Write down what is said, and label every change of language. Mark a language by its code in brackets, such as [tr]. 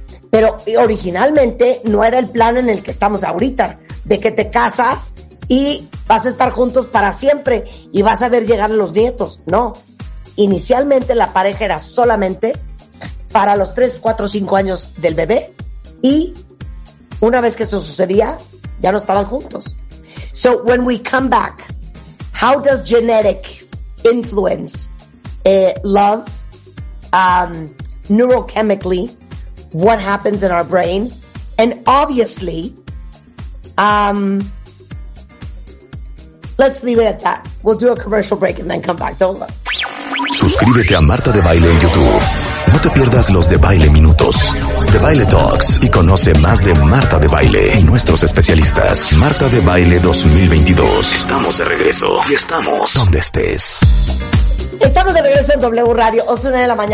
[es] Pero originalmente no era el plan en el que estamos ahorita, de que te casas y vas a estar juntos para siempre y vas a ver llegar a los nietos. No. Inicialmente la pareja era solamente para los 3, 4, 5 años del bebé y una vez que eso sucedía, ya no estaban juntos. [en] So when we come back, how does genetics influence love? Neurochemically, what happens in our brain, and obviously, let's leave it at that. We'll do a commercial break and then come back. Don't look. [es] Suscríbete a Marta de Baile en YouTube. No te pierdas los de Baile Minutos, de Baile Talks, y conoce más de Marta de Baile y nuestros especialistas. Marta de Baile 2022. Estamos de regreso y estamos donde estés. Estamos de regreso en W Radio, 11:00 a.m.